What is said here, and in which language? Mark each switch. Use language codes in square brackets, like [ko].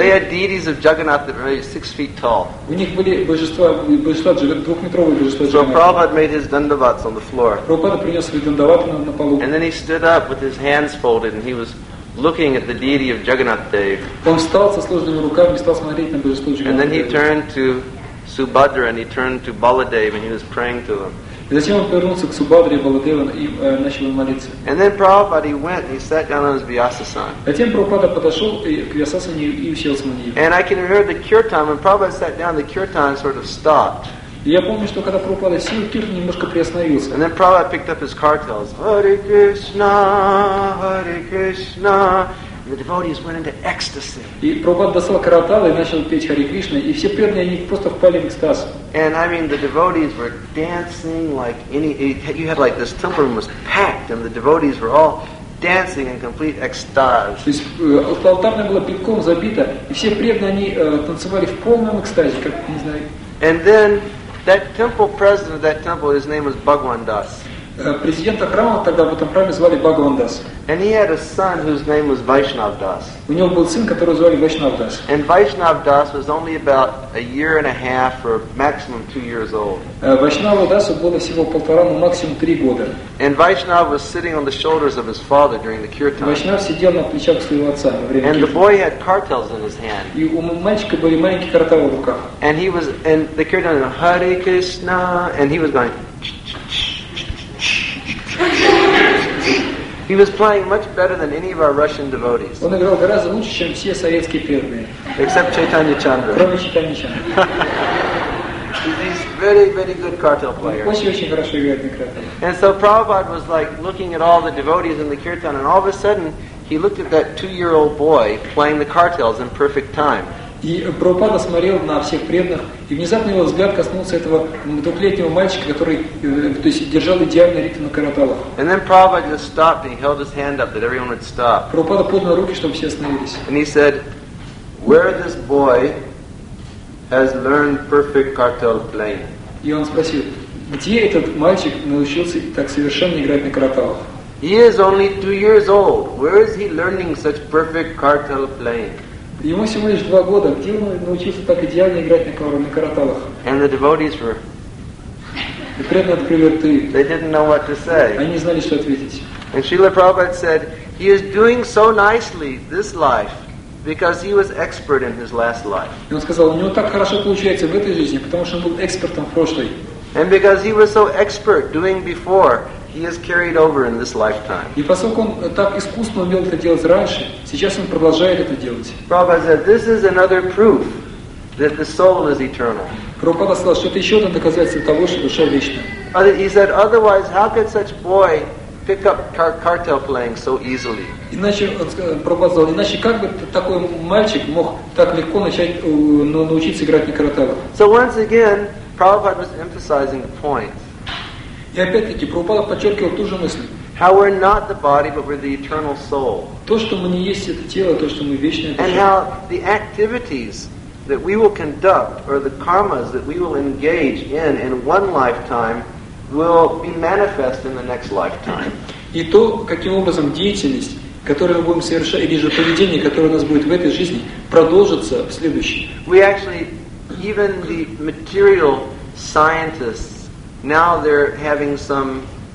[en] They had deities of Jagannath that were really 6 feet tall. [ru] У них были божества двухметровые божества Джаганнатха. [en] So Prabhupada made his dandavats on the floor. [ru] Прабхупада принес свои дандаваты на полу. [en] And then he stood up with his hands folded, and he was looking at the deity of Jagannath Dev. [ru] Он встал со сложенными руками и стал смотреть на божество Джаганнатха. [en] And then he turned to Subhadra and he turned to Baladev and he was praying to them. [ru] Затем он повернулся к Субхадре и Баладеву и начал молиться. [en] And then Prabhupada went and he sat down on his Vyasasana. [ru] Затем Прабхупада подошел к Вьясасане и уселся на нее. [en] And I can hear the kirtan when Prabhupada sat down, the kirtan sort of stopped. [ru] Я помню, что когда Прабхупада сел, кирт немножко приостановился. [en] And then Prabhupada picked up his cartels. Hare Krishna, Hare Krishna. And the devotees went into ecstasy. [ru] И Прабхупада достал караталы и начал петь Харе Кришна, и все преданные они просто впали в экстаз. [en] And I mean, the devotees were dancing like any. You had like this temple room was packed, and the devotees were all dancing in complete ecstasy. [ru] То есть алтарная была битком забита, и все преданные они танцевали в полном экстазе, как не знаю. [en] And then that temple president of that temple, his name was Bhagwan Das. [ru] Президента храма тогда в этом храме звали Бхагаван Дас. [en] And he had a son whose name was Vaishnav Das. [ru] У него был сын, которого звали Vaishnav Das. [en] And Vaishnav Das was only about a year and a half, or maximum 2 years old. [ru] Vaishnava Dasu было всего полтора, но максимум 3 года. [en] And Vaishnav was sitting on the shoulders of his father during the kirtan. [ru] Vaishnav сидел на плечах своего отца во время. [en] And the boy had cartels in his hand. [ru] И у мальчика были маленькие карталы в руках. [en] And he was in the kirtan, Hare Krishna, and he was going. He was playing much better than any of our Russian devotees. [ru] Он играл гораздо лучше, чем все советские преданные. [en] Except Chaitanya Chandra. [ru] Кроме Чайтанья [en] Чандры. He's very, very good cartel player. [ru] Очень, очень хорошо играет на карталах. [en] And so Prabhupada was like looking at all the devotees in the kirtan, and all of a sudden he looked at that 2-year-old boy playing the cartels in perfect time. [ru] И Прабхупада смотрел на всех преданных, и внезапно его взгляд коснулся этого двухлетнего мальчика, который, то есть, держал идеальный ритм на караталах. [en] And then Prabhupada just stopped and he held his hand up that everyone would stop. [ru] Прабхупада поднял руки, чтобы все остановились. [en] And he said, where this boy has learned perfect cartel playing? [ru] И он спросил, где этот мальчик научился так совершенно играть на караталах? [en] He is only 2 years old. Where is he learning such perfect cartel playing? [ru] Ему всего лишь 2 года. Где он научился так идеально играть на караталах? [en] And the devotees were. [ru] И преданные открыли рты. [en] They didn't know what to say. [ru] Они не знали, что ответить. [en] And Srila Prabhupada said, he is doing so nicely this life because he was expert in his last life. [ru] И он сказал, у него так хорошо получается в этой жизни, потому что он был экспертом в прошлой. [en] And because he was so expert doing before, he has carried over in this lifetime. [ru] И поскольку он так искусно умел это делать раньше, сейчас он продолжает это делать. [en] Prabhupada said, this is another proof that the soul is eternal. [ru] Прабхупада сказал, что это еще одно доказательство того, что душа вечна. [en] He said, otherwise, how could such boy pick up cartel playing so easily? [ru] Иначе, Прабхупада сказал, иначе как бы такой мальчик мог так легко начать научиться играть на караталах? [en] So once again, Prabhupada was emphasizing the point. [ru] И опять-таки, Прабхупада подчеркивал ту же мысль. [en] How we're not the body, but we're the eternal soul. [ru] То, что мы не есть это тело, то, что мы вечная душа. [en] And how the activities that we will conduct, or the karmas that we will engage in one lifetime, will be manifest in the next lifetime. [ru] И то, каким образом деятельность, которую мы будем совершать, или же поведение, которое у нас будет в этой жизни, продолжится в следующей. [en] We actually, even the material scientists, now they're having some